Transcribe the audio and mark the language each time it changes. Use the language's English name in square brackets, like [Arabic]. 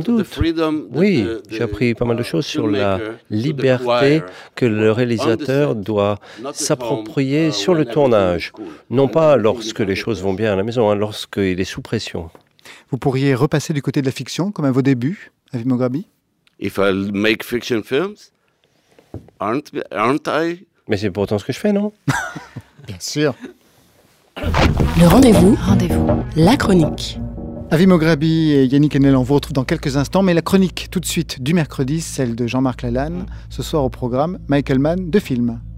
[French] doute, oui, j'ai appris pas mal de choses sur la liberté que le réalisateur doit s'approprier sur le tournage, non pas lorsque les choses vont bien à la maison, hein, lorsqu'il est sous pression. Vous pourriez repasser du côté de la fiction, comme à vos débuts, à Vimo Grabi? [English] If I make fiction films, aren't I? [French] Mais c'est pourtant ce que je fais, non? Bien sûr. Le rendez-vous. Rendez-vous. La chronique. À Vimo Grabi et Yannick Enel, on vous retrouve dans quelques instants. Mais la chronique, tout de suite, du mercredi, celle de Jean-Marc Lalanne. Ce soir au programme, Michael Mann, deux films.